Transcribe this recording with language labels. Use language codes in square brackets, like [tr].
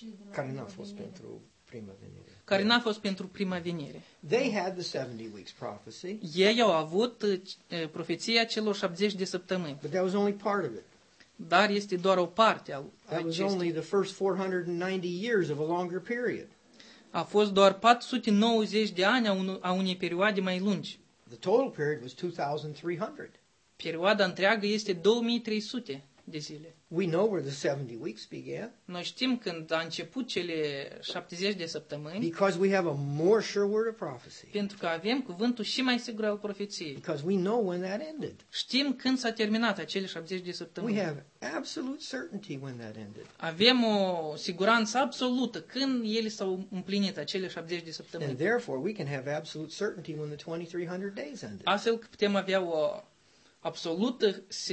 [ro] Care nu a fost pentru prima venire. Care n-a fost pentru prima venire. [en] They had the 70 weeks prophecy. [ro] Ei au avut profeția celor 70 de săptămâni. [en] But that was only part of it. [ro] Dar este doar o parte a acestei. [en] That was only the first 490 years of a longer period. [ro] A fost doar 490 de ani a unei perioade mai lungi. [en] The total period was 2300. [ro] Perioada întreagă este 2300 de zile. [en] We know where the 70 weeks began. [ro] Noi știm când a început cele 70 de săptămâni. [en] Because we have a more sure word of prophecy. [ro] Pentru că avem cuvântul și mai sigur al profeției. [en] Because we know when that ended. [ro] Știm când s-a terminat acele 70 de săptămâni. [en] We have absolute certainty when that ended. [ro] Avem o siguranță absolută când ele s-au împlinit acele 70 de săptămâni. [en] And therefore we can have absolute certainty when the 2300 days ended. [ro] Astfel că putem avea o absolută